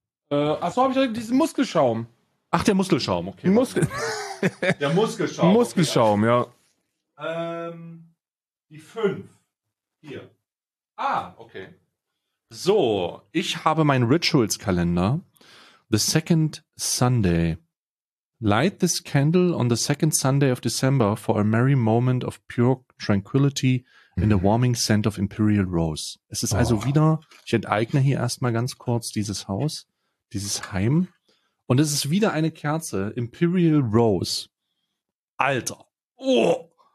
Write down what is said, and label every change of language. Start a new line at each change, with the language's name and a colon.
German: Achso, habe ich diesen Muskelschaum. Ach, der Muskelschaum, okay. Der Muskelschaum. Muskelschaum, okay, ja. Die 5. Hier. Ah, okay. So, ich habe meinen Rituals-Kalender.
English: The Second Sunday. Light this candle on the second Sunday of December for a merry moment of pure tranquility in the warming scent of Imperial Rose.
German: Es ist also wieder, ich enteigne hier erstmal ganz kurz dieses Haus, dieses Heim. Und es ist wieder eine Kerze, Imperial Rose. Alter. Oh.